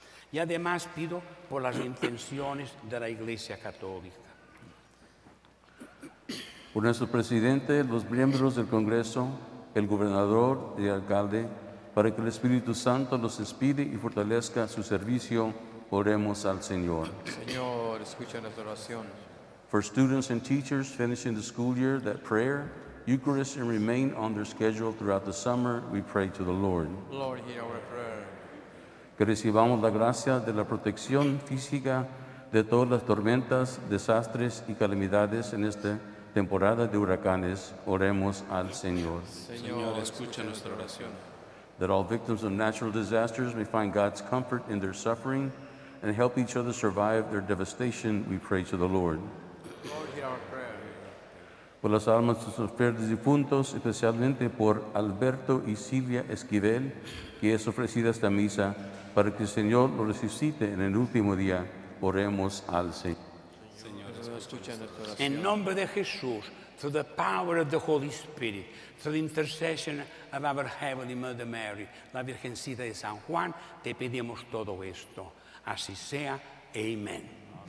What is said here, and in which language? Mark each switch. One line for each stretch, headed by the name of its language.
Spanish: Y además pido por las intenciones de la Iglesia Católica. Por nuestro presidente, los miembros del Congreso, el gobernador y el alcalde, para que el Espíritu Santo los inspire y fortalezca su servicio, oremos al Señor. Señor, escucha nuestra oración.
English: For students and teachers finishing the school year, that prayer, Eucharist, and remain on their schedule throughout the summer, we pray to the Lord. Lord, hear our prayer.
Spanish: Que recibamos la gracia de la protección física de todas las tormentas, desastres y calamidades en esta temporada de huracanes, oremos al Señor. Señor, escucha nuestra oración.
English: That all victims of natural disasters may find God's comfort in their suffering and help each other survive their devastation, we pray to the Lord. Lord, hear our prayer.
Spanish: Por las almas de los fieles difuntos, especialmente por Alberto y Silvia Esquivel, que es ofrecida esta misa, para que el Señor lo resucite en el último día, oremos al Señor. En nombre de Jesús,
English: through the power of the Holy Spirit, through the intercession of our Heavenly Mother Mary,
Spanish: la Virgencita de San Juan, te pedimos todo esto. Así sea. Amén.